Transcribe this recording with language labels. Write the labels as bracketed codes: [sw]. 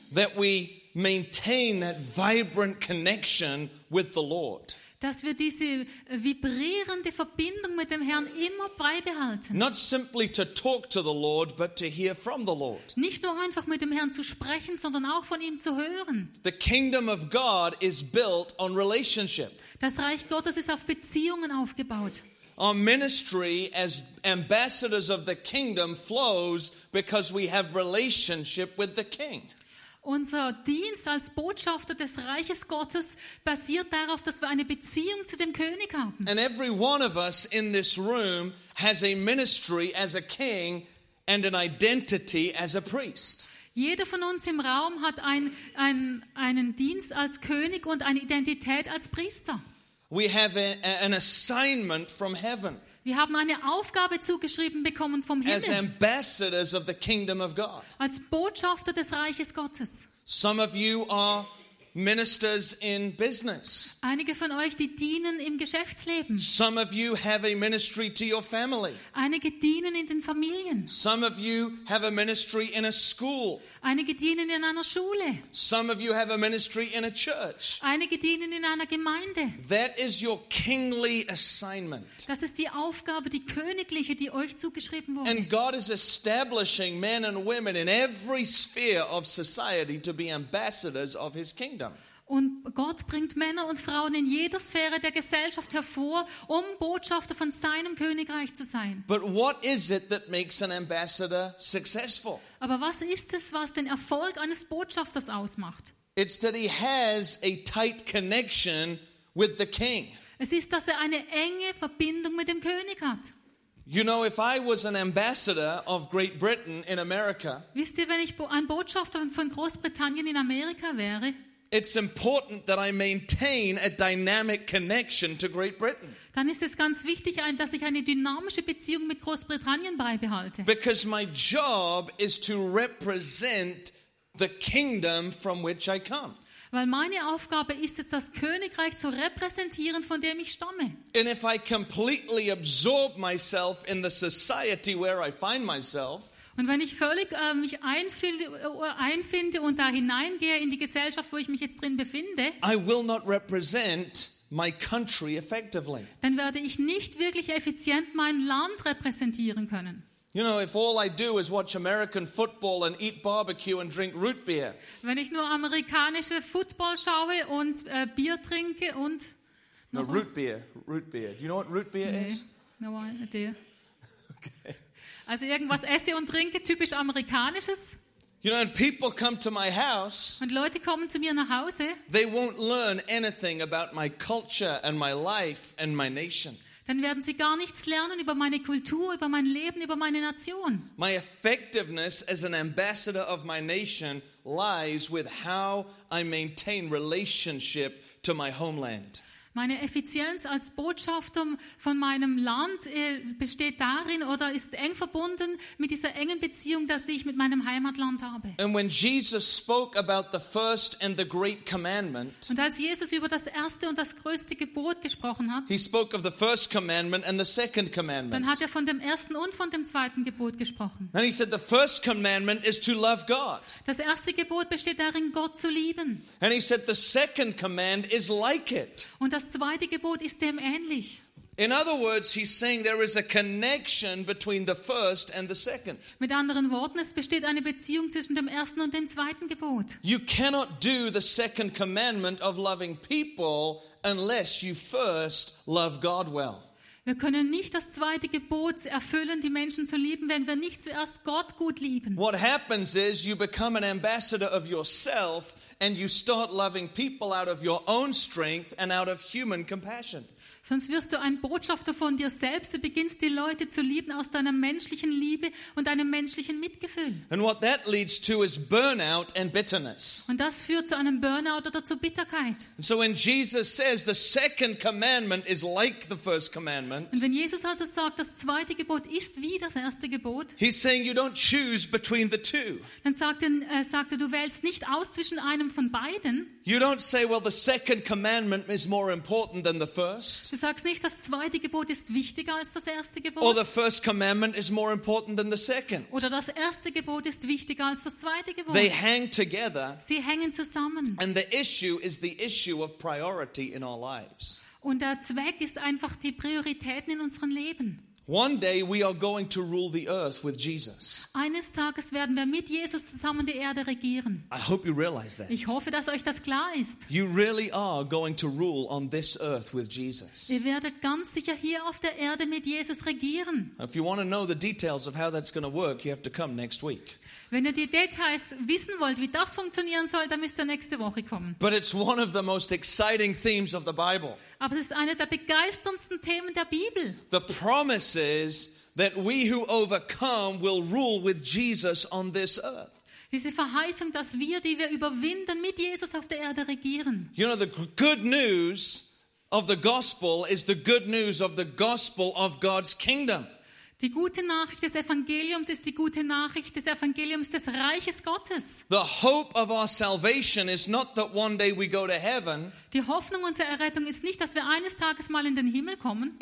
[en] That we maintain that vibrant connection with the Lord. [de] Dass wir diese vibrierende Verbindung mit dem Herrn immer beibehalten. [en] Not simply to talk to the Lord, but to hear from the Lord. [de] Nicht nur einfach mit dem Herrn zu sprechen, sondern auch von ihm zu hören. [en] The kingdom of God is built on relationship. [de] Das Reich Gottes ist auf Beziehungen aufgebaut. [en] Our ministry as ambassadors of the kingdom flows because we have relationship with the King. [de] Unser Dienst als Botschafter des Reiches Gottes basiert darauf, dass wir eine Beziehung zu dem König haben. [en] And every one of us in this room has a ministry as a king and an identity as a priest. [de] Jeder von uns im Raum hat einen Dienst als König und eine Identität als Priester. [en] We have an assignment from heaven. [de] Wir haben eine Aufgabe zugeschrieben bekommen vom Himmel. [en] As ambassadors of the kingdom of God. [de] Als Botschafter des Reiches Gottes. [en] Some of you are ministers in business. [de] Einige von euch, die dienen im Geschäftsleben. [en] Some of you have a ministry to your family. [de] Einige dienen in den Familien. [en] Some of you have a ministry in a school. [de] Einige dienen in einer Schule. [en] Some of you have a ministry in a church. [de] Einige dienen in einer Gemeinde. [en] That is your kingly assignment. [de] Das ist die Aufgabe, die königliche, die euch zugeschrieben wurde. [en] And God is establishing men and women in every sphere of society to be ambassadors of his kingdom. [de] Und Gott bringt Männer und Frauen in jeder Sphäre der Gesellschaft hervor, um Botschafter von seinem Königreich zu sein. [en] But what is it that makes an ambassador successful? [de] Aber was ist es, was den Erfolg eines Botschafters ausmacht? [en] It's that he has a tight connection with the king. [de] Es ist, dass er eine enge Verbindung mit dem König hat. [en] You know, if I was an ambassador of Great Britain in America, [de] wisst ihr, wenn ich ein Botschafter von Großbritannien in Amerika wäre, [en] it's important that I maintain a dynamic connection to Great Britain. [de] Dann ist es ganz wichtig, dass ich eine dynamische Beziehung mit Großbritannien beibehalte. [en] Because my job is to represent the kingdom from which I come. [de] Weil meine Aufgabe ist es, das Königreich zu repräsentieren, von dem ich stamme. [en] And if I completely absorb myself in the society where I find myself, [de] und wenn ich völlig mich einfinde und da hineingehe in die Gesellschaft, wo ich mich jetzt drin befinde, [en] I will not represent my country effectively. [de] Dann werde ich nicht wirklich effizient mein Land repräsentieren können. [en] You know, if all I do is watch American football and eat barbecue and drink root beer. [de] Wenn ich nur amerikanische Football schaue und Bier trinke und [en] no, root beer. Do you know what root beer is? No idea. Okay. [de] Also irgendwas esse und trinke, typisch amerikanisches. [en] You know, and people come to my house. [de] Und Leute kommen zu mir nach Hause. [en] They won't learn anything about my culture and my life and my nation. [de] Dann werden sie gar nichts lernen über meine Kultur, über mein Leben, über meine Nation. [en] My effectiveness as an ambassador of my nation lies with how I maintain relationship to my homeland. [de] Meine Effizienz als Botschafter von meinem Land besteht darin oder ist eng verbunden mit dieser engen Beziehung, die ich mit meinem Heimatland habe. [en] And when Jesus spoke about the first and the great commandment, [de] und als Jesus über das erste und das größte Gebot gesprochen hat, [en] he spoke of the first commandment and the second commandment. [de] Dann hat er von dem ersten und von dem zweiten Gebot gesprochen. [en] And he said the first commandment is to love God. [de] Das erste Gebot besteht darin, Gott zu lieben. [en] And he said the second command is like it. [de] Und das zweite Gebot ist dem ähnlich. [en] In other words, he's saying there is a connection between the first and the second. [de] Mit anderen Worten, es besteht eine Beziehung zwischen dem ersten und dem zweiten Gebot. [en] You cannot do the second commandment of loving people unless you first love God well. [de] Wir können nicht das zweite Gebot erfüllen, die Menschen zu lieben, wenn wir nicht zuerst Gott gut lieben. [en] What happens is you become an ambassador of yourself and you start loving people out of your own strength and out of human compassion. [de] Sonst wirst du ein Botschafter von dir selbst. Du beginnst die Leute zu lieben aus deiner menschlichen Liebe und deinem menschlichen Mitgefühl. [en] And what that leads to is burnout and bitterness. [de] Und das führt zu einem Burnout oder zu Bitterkeit. [en] And so when Jesus says the second commandment is like the first commandment. [de] Und wenn Jesus also sagt, das zweite Gebot ist wie das erste Gebot. [en] He's saying you don't choose between the two. [de] Dann sagte du wählst nicht aus zwischen einem von beiden. [en] You don't say, well, the second commandment is more important than the first. [de] Du sagst nicht, das zweite Gebot ist wichtiger als das erste Gebot. [en] Or the first commandment is more important than the second. [de] Oder das erste Gebot ist wichtiger als das zweite Gebot. [en] They hang together. [de] Sie hängen zusammen. [en] And the issue is the issue of priority in our lives. [de] Und der Zweck ist einfach die Prioritäten in unseren Leben. [en] One day we are going to rule the earth with Jesus. [de] Eines Tages werden wir mit Jesus zusammen die Erde regieren. [en] I hope you realize that. [de] Ich hoffe, dass euch das klar ist. [en] You really are going to rule on this earth with Jesus. [de] Ihr werdet ganz sicher hier auf der Erde mit Jesus regieren. [en] If you want to know the details of how that's going to work, you have to come next week. [de] Wenn ihr die Details wissen wollt, wie das funktionieren soll, dann müsst ihr nächste Woche kommen. [en] But it's one of the most exciting themes of the Bible. [de] Aber es ist eine der begeisterndsten Themen der Bibel. [en] The promises that we who overcome will rule with Jesus on this earth. [de] Diese Verheißung, dass wir, die wir überwinden, mit Jesus auf der Erde regieren. [en] You know, the good news of the gospel is the good news of the gospel of God's kingdom. [de] Die gute Nachricht des Evangeliums ist die gute Nachricht des Evangeliums des Reiches Gottes. [en] The hope of our salvation is not that one day we go to heaven. [de] Die Hoffnung unserer Errettung ist nicht, dass wir eines Tages mal in den Himmel kommen.